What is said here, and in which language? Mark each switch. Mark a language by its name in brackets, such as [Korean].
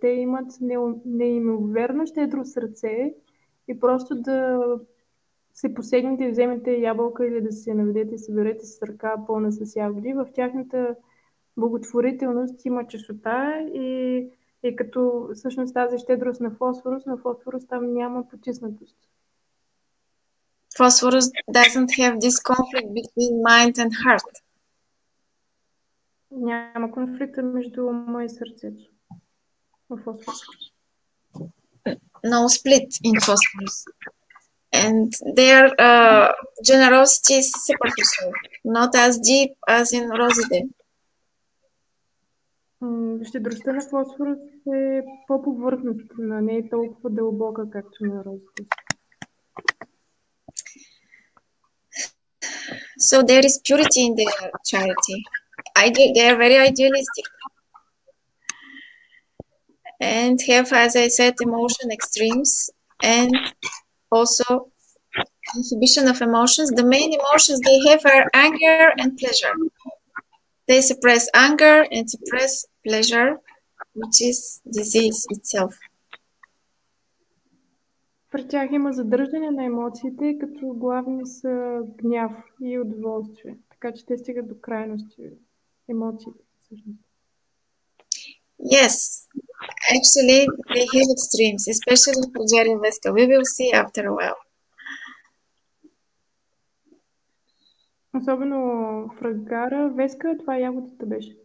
[Bulgarian] Те имат неимоверно щедро сърце и просто да се посегнете и вземете ябълка или да се наведете и съберете с ръка пълна с ягоди. В тяхната благотворителност има чистота и като всъщност тази щедрост на фосфорус там няма потиснатост. [English] Phosphorus doesn't have this conflict between mind and heart. [Bulgarian] Няма конфликт между ума и сърцето. Фосфорус. [English] No split in phosphorus. And their generosity is superficial, not as deep as in rosidae. [Bulgarian] Щедростта на фосфорус е по-повърхностна, не е толкова дълбока, както на розите. [English] So there is purity in their charity. They are very idealistic. And have, as I said, emotion extremes and also inhibition of emotions. The main emotions they have are anger and pleasure. They suppress anger and suppress pleasure, which is disease itself. [Bulgarian] При тях има задържане на емоциите, като главни са гняв и удоволствие. Така че те стигат до крайности емоциите. [English] Yes, actually they have extremes, especially for Jerry Vesco. We will see after a while. [Bulgarian] Особено фрагара Веска, това ягодата беше.